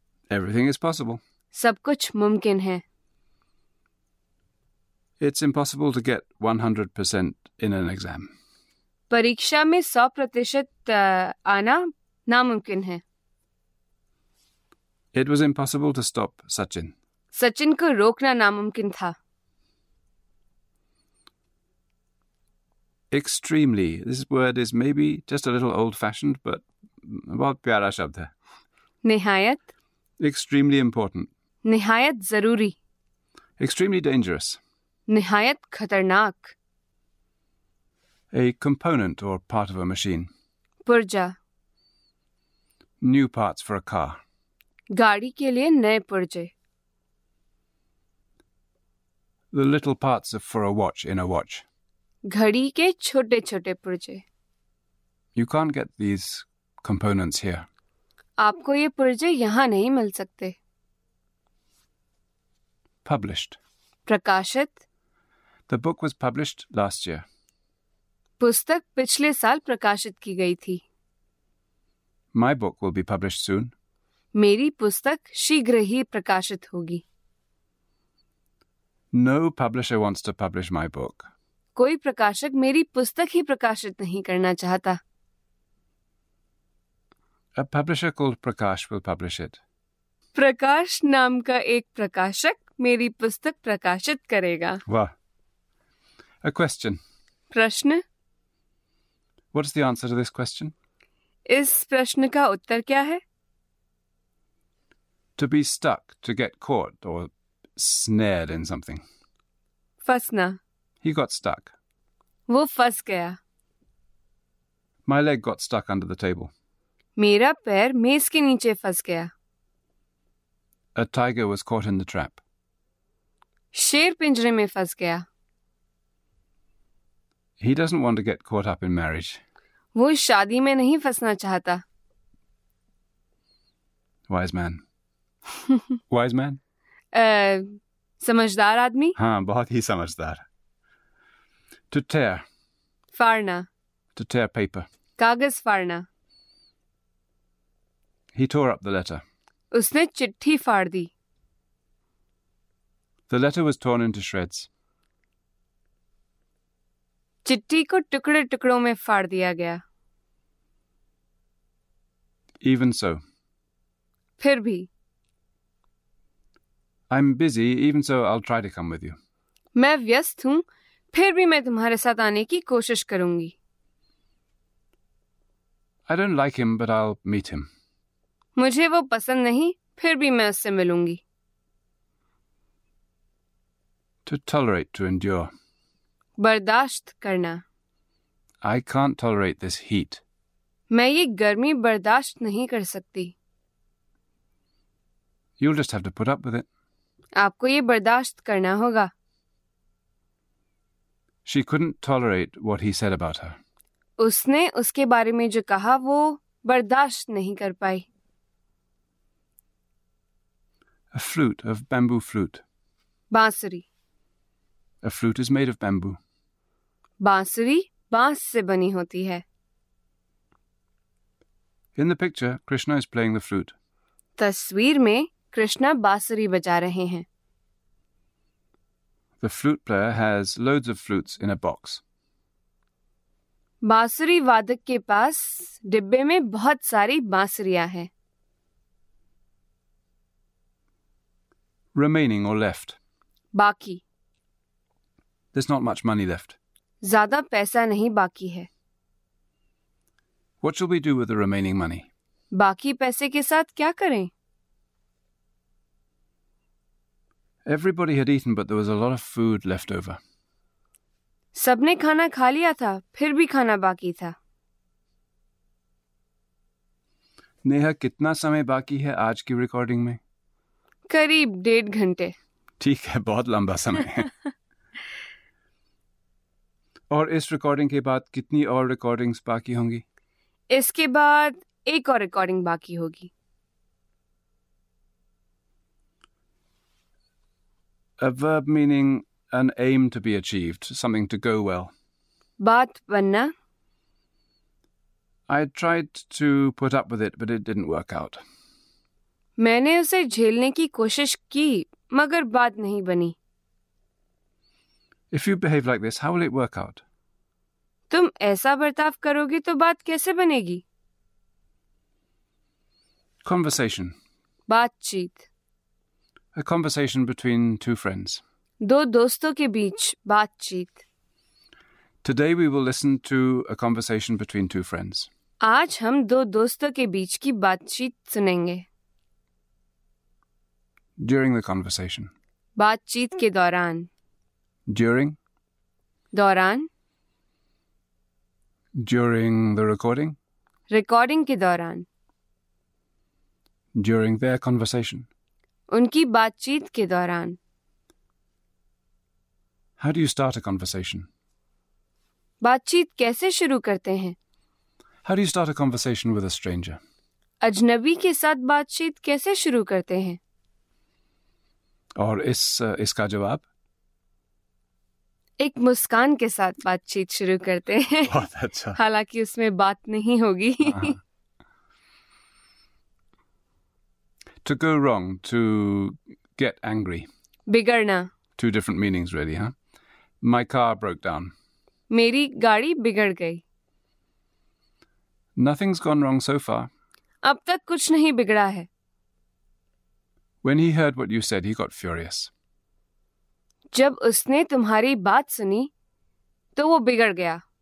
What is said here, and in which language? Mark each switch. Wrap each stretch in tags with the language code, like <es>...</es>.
<en>Everything is possible.</en> <hi>सब कुछ मुमकिन है.</hi> <en>It's impossible to get 100% in an exam.</en> <hi>परीक्षा में 100% आना नामुमकिन है.</hi> <en>It was impossible to stop Sachin.</en> <hi>Sachin को रोकना नामुमकिन था.</hi> <en>Extremely. This word is maybe just a little old-fashioned, but</en> <hi>बहुत प्यारा शब्द है. निहायत.</hi> <en>Extremely important.</en> <hi>निहायत जरूरी.</hi> <en>Extremely dangerous.</en> <hi>निहायत खतरनाक.</hi> <en>A component or part of a machine.</en> <hi>पुर्जा.</hi> <en>New parts for a car.</en> <hi>गाड़ी के लिए नए पुर्जे.</hi> <en>The little parts for a watch in a watch.</en> <hi>घड़ी के छोटे छोटे पुर्जे.</hi> <en>You can't get these components here.</en> <hi>आपको ये पुर्जे यहाँ नहीं मिल सकते.</hi> <en>Published.</en> <hi>प्रकाशित.</hi> <en>The book was published last year.</en> <hi>पुस्तक पिछले साल प्रकाशित की गई थी.</hi> <en>My book will be published soon.</en> <hi>मेरी पुस्तक शीघ्र ही प्रकाशित होगी.</hi> <en>No publisher wants to publish my book.</en> <hi>कोई प्रकाशक मेरी पुस्तक ही प्रकाशित नहीं करना चाहता.</hi> <en>A publisher called Prakash will publish it.</en> <hi>प्रकाश नाम का एक प्रकाशक मेरी पुस्तक प्रकाशित करेगा. वाह.</hi> <en>A question.</en> <hi>प्रश्न.</hi> <en>What is the answer to this question?</en> <hi>इस प्रश्न का उत्तर क्या है?</hi> <en>To be stuck, to get caught or snared in something.</en> <hi>फंसना.</hi> <en>He got stuck.</en> <hi>वो फंस गया.</hi> <en>My leg got stuck under the table.</en> <hi>मेरा पैर मेज के नीचे फंस गया.</hi> <en>A tiger was caught in the trap.</en> <hi>शेर पिंजरे में फंस गया.</hi> <en>He doesn't want to get caught up in marriage.</en> <hi>वो शादी में नहीं फंसना चाहता.</hi> <en>Wise man. Wise man?</en> <hi>समझदार आदमी. हाँ, बहुत ही समझदार.</hi> <en>To tear.</en> <hi>फाड़ना.</hi> <en>To tear paper.</en> <hi>कागज फाड़ना.</hi> <en>He tore up the letter.</en> <hi>उसने चिट्ठी फाड़ दी.</hi> <en>The letter was torn into shreds.</en> <hi>चिट्ठी को टुकड़े टुकड़ों में फाड़ दिया गया.</hi> <en>Even so.</en> <hi>फिर भी.</hi> <en>I'm busy, even so I'll try to come with you.</en> <hi>मैं व्यस्त हूँ, फिर भी मैं तुम्हारे साथ आने की कोशिश करूंगी.</hi> <en>I don't like him, but I'll meet him.</en> <hi>मुझे वो पसंद नहीं, फिर भी मैं उससे मिलूंगी.</hi> <en>To tolerate, to endure.</en> <hi>बर्दाश्त करना.</hi> <en>I can't tolerate this heat.</en> <hi>मैं ये गर्मी बर्दाश्त नहीं कर सकती.</hi> <en>You'll just have to put up with it.</en> <hi>आपको ये बर्दाश्त करना होगा.</hi> <en>She couldn't tolerate what he said about her.</en> <hi>उसने उसके बारे में जो कहा वो बर्दाश्त नहीं कर पाई.</hi> <en>A flute, of bamboo flute.</en> <hi>बांसुरी.</hi> <en>A flute is made of bamboo.</en> <hi>बांसुरी बांस से बनी होती है.</hi> <en>In the picture, Krishna is playing the flute.</en> <hi>तस्वीर में कृष्णा बांसुरी बजा रहे हैं.</hi> <en>The flute player has loads of flutes in a box.</en> <hi>बांसुरी वादक के पास डिब्बे में बहुत सारी बांसुरियां हैं.</hi> <en>Remaining or left.</en> <hi>बाकी.</hi> <en>There's not much money left.</en> <hi>ज्यादा पैसा नहीं बाकी है.</hi> <en>What shall we do with the remaining money?</en> <hi>बाकी पैसे के साथ क्या करें?</hi> <en>Everybody had eaten, but there was a lot of food left over.</en> <hi>सबने खाना खा लिया था, फिर भी खाना बाकी था. नेहा, कितना समय बाकी है आज की रिकॉर्डिंग में? करीब 1.5 घंटे. ठीक है, बहुत लंबा समय है. और इस रिकॉर्डिंग के बाद कितनी और रिकॉर्डिंग्स बाकी होंगी? इसके बाद एक और रिकॉर्डिंग बाकी होगी.</hi> <en>A verb meaning an aim to be achieved, something to go well.</en> <hi>बात बनना.</hi> <en>I tried to put up with it, but it didn't work out.</en> <hi>मैंने उसे झेलने की कोशिश की, मगर बात नहीं बनी.</hi> <en>If you behave like this, how will it work out?</en> <hi>तुम ऐसा बर्ताव करोगे तो बात कैसे बनेगी?</hi> <en>Conversation.</en> <hi>बातचीत.</hi> <en>A conversation between two friends.</en> <hi>दो दोस्तों के बीच बातचीत.</hi> <en>Today we will listen to a conversation between two friends.</en> <hi>आज हम दो दोस्तों के बीच की बातचीत सुनेंगे.</hi> <en>During the conversation.</en> <hi>बातचीत के दौरान.</hi> <en>During.</en> <hi>दौरान.</hi> <en>During the recording.</en> <hi>रिकॉर्डिंग के दौरान.</hi> <en>During their conversation.</en> <hi>उनकी बातचीत के दौरान.</hi> <en>How do you start a conversation?</en> <hi>बातचीत कैसे शुरू करते हैं?</hi> <en>How do you start a conversation with a stranger?</en> <hi>अजनबी के साथ बातचीत कैसे शुरू करते हैं? और इसका जवाब? एक मुस्कान के साथ बातचीत शुरू करते हैं. बहुत अच्छा. हालांकि उसमें बात नहीं होगी.</hi> <en>To go wrong, to get angry.</en> <hi>बिगड़ना.</hi> <en>Two different meanings, really, huh? My car broke down.</en> <hi>मेरी गाड़ी बिगड़ गई.</hi> <en>Nothing's gone wrong so far.</en> <hi>अब तक कुछ नहीं बिगड़ा है.</hi> <en>When he heard what you said, he got furious.</en> <hi>जब उसने तुम्हारी बात सुनी, तो वो बिगड़ गया.</hi>